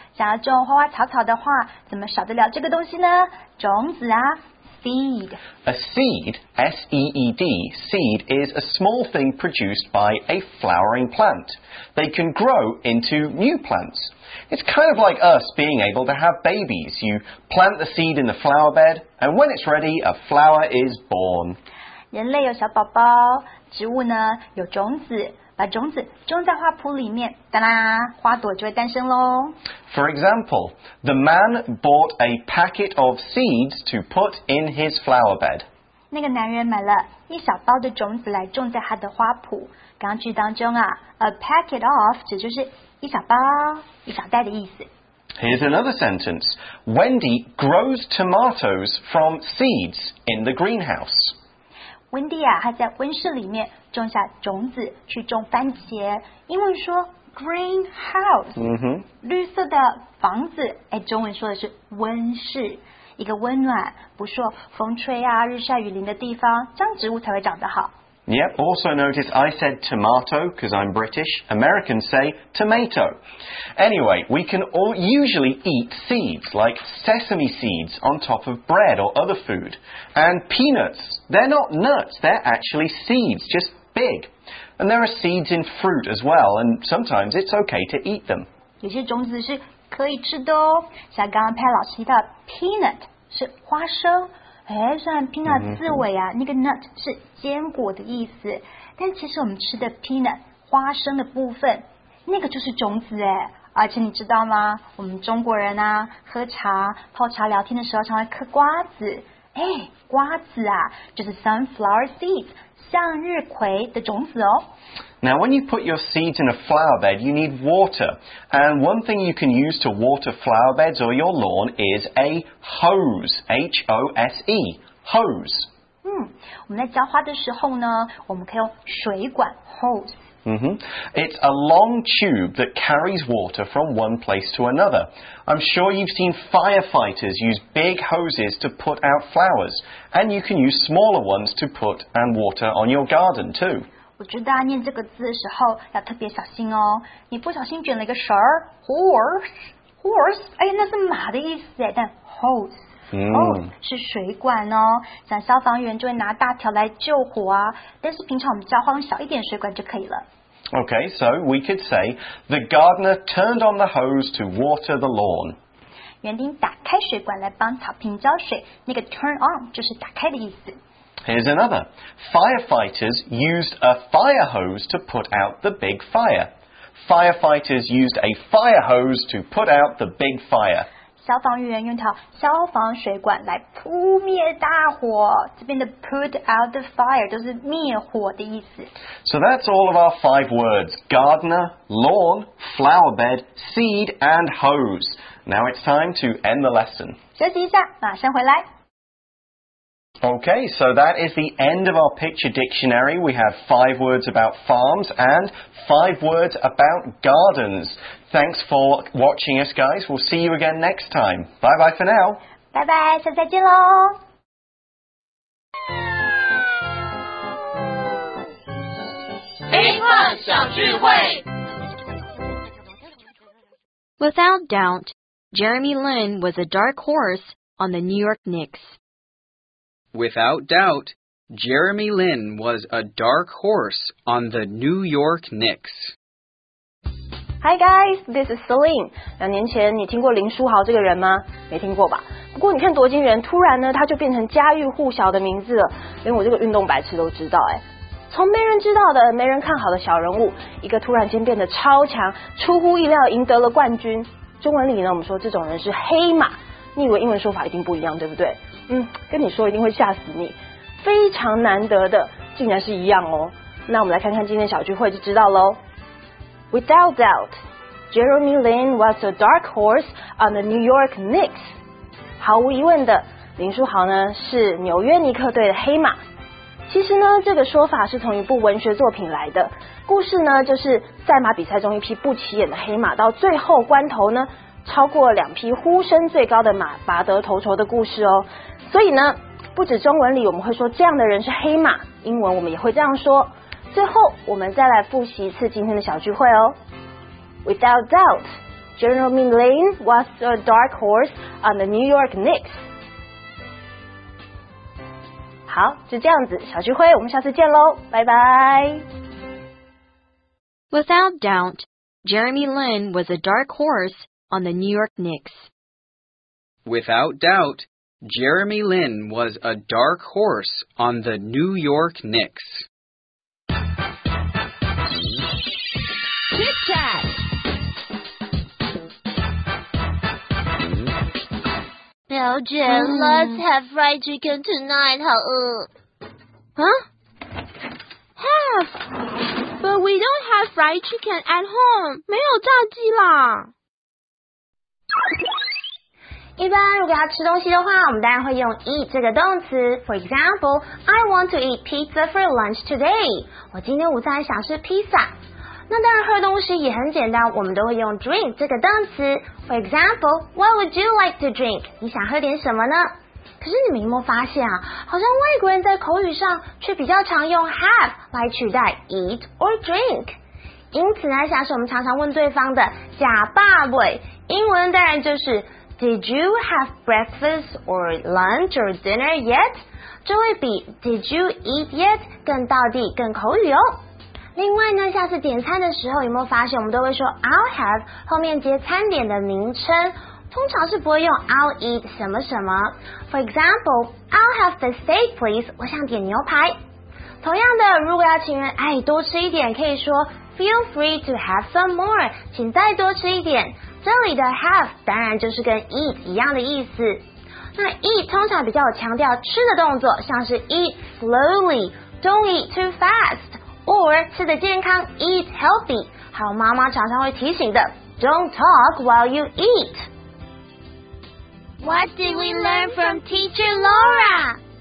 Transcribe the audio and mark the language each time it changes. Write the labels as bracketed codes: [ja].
[zh] 想要种花花草草的话，怎么少得了这个东西呢？种子啊。 [en] Seed. A seed, S-E-E-D, seed is a small thing produced by a flowering plant. They can grow into new plants. It's kind of like us being able to have babies. You plant the seed in the flower bed, and when it's ready, a flower is born. [zh] 人类有小宝宝，植物呢，有种子。把种子种在花圃里面，哒啦，花朵就会诞生咯。 [en] For example, the man bought a packet of seeds to put in his flower bed. [zh] 那个男人买了一小包的种子来种在他的花圃。刚句当中啊 ， [en] a packet of [zh] 指就是一小包、一小袋的意思。 [en] Here's another sentence. Wendy grows tomatoes from seeds in the greenhouse. [zh] Wendy 啊，她在温室里面种下种子去种番茄。英文说 greenhouse，、绿色的房子。哎，中文说的是温室，一个温暖、不受风吹啊、日晒雨淋的地方，这样植物才会长得好。 [en] Yep. Also notice I said tomato because I'm British. Americans say tomato. Anyway, we can all usually eat seeds like sesame seeds on top of bread or other food. And peanuts, they're not nuts. They're actually seeds, just big. And there are seeds in fruit as well. And sometimes it's okay to eat them. [zh] 有些种子是可以吃的哦。像刚刚派老师提到 peanut 是花生。哎，虽然 peanut 字尾啊，那个 nut 是坚果的意思，但其实我们吃的 peanut 花生的部分，那个就是种子哎。而且你知道吗？我们中国人啊，喝茶、泡茶、聊天的时候，常会嗑瓜子。哎，瓜子啊，就是 [en] sunflower seeds， [zh] 向日葵的种子哦。 [en] Now, when you put your seeds in a flower bed, you need water. And one thing you can use to water flower beds or your lawn is a hose, H-O-S-E, hose. [zh] 我们在浇花的时候呢，我们可以用水管 hose. [en] It's a long tube that carries water from one place to another. I'm sure you've seen firefighters use big hoses to put out flowers. And you can use smaller ones to put and water on your garden too. [zh] 我觉得啊，念这个字的时候要特别小心哦。你不小心卷了一个舌儿 ，horse， 哎，那是马的意思哎，但 hose，hose、是水管哦。像消防员就会拿大条来救火啊，但是平常我们浇花用小一点水管就可以了。 [en] Okay, so we could say the gardener turned on the hose to water the lawn. [zh] 园丁打开水管来帮草坪浇水，那个 [en] turn on [zh] 就是打开的意思。 [en] Here's another. Firefighters used a fire hose to put out the big fire. Firefighters used a fire hose to put out the big fire. [zh] 消防员用条消防水管来扑灭大火。这边的 [en] put out the fire [zh] 都是灭火的意思。 [en] So that's all of our five words. Gardener, lawn, flower bed, seed, and hose. Now it's time to end the lesson. [zh] 休息一下，马上回来。 [en] Okay, so that is the end of our picture dictionary. We have five words about farms and five words about gardens. Thanks for watching us, guys. We'll see you again next time. Bye-bye for now. Bye-bye, [zh] 下次再见喽。英文小智慧。 [en] Without doubt, Jeremy Lin was a dark horse on the New York Knicks. Without doubt, Jeremy Lin was a dark horse on the New York Knicks. Hi guys, this is Celine. [zh] 两年前你听过林书豪这个人吗？没听过吧？不过你看夺金人突然呢，他就变成家喻户晓的名字了，连我这个运动白痴都知道。哎，从没人知道的、没人看好的小人物，一个突然间变得超强，出乎意料赢得了冠军。中文里呢，我们说这种人是黑马。你以为英文说法一定不一样，对不对？跟你说一定会吓死你，非常难得的竟然是一样哦。那我们来看看今天小聚会就知道咯。 [en] Without doubt, Jeremy Lin was a dark horse on the New York Knicks. [zh] 毫无疑问的，林书豪呢是纽约尼克队的黑马。其实呢，这个说法是从一部文学作品来的，故事呢就是赛马比赛中一匹不起眼的黑马到最后关头呢超过两匹呼声最高的马拔得头筹的故事哦。所以呢，不止中文里我们会说这样的人是黑马，英文我们也会这样说。最后我们再来复习一次今天的小聚会哦。 [en] Without doubt, Jeremy Lin was a dark horse on the New York Knicks. [zh] 好，就这样子，小聚会我们下次见咯，拜拜。 [en] Without doubt, Jeremy Lin was a dark horse on the New York Knicks. Without doubt, Jeremy Lin was a dark horse on the New York Knicks. Chit chat. Belgian, let's have fried chicken tonight, [zh] 好饿。 [en] Huh? Have. But we don't have fried chicken at home. [zh] 没有炸鸡啦。一般如果要吃东西的话，我们当然会用 eat 这个动词。 [en] For example, I want to eat pizza for lunch today. [zh] 我今天午餐想吃披萨。那当然喝东西也很简单，我们都会用 drink 这个动词。 [en] For example, what would you like to drink? [zh] 你想喝点什么呢？可是你们有没有发现啊，好像外国人在口语上却比较常用 have 来取代 eat or drink。因此呢，像是我们常常问对方的假爸喂，英文当然就是 [en] Did you have breakfast or lunch or dinner yet? [zh] 这会比 [en] Did you eat yet [zh] 更道地更口语哦。另外呢，下次点餐的时候有没有发现我们都会说 [en] I'll have [zh] 后面接餐点的名称，通常是不会用 [en] I'll eat [zh] 什么什么。 [en] For example, I'll have the steak please, [zh] 我想点牛排。同样的，如果要请人哎多吃一点，可以说 [en] Feel free to have some more, [zh] 请再多吃一点。这里的 have 当然就是跟 eat 一样的意思。那 eat 通常比较有强调吃的动作，像是 [en] eat slowly, don't eat too fast, [zh] or 吃得健康 [en] eat healthy, [zh] 还有妈妈常常会提醒的 [en] don't talk while you eat. What did we learn from teacher Laura?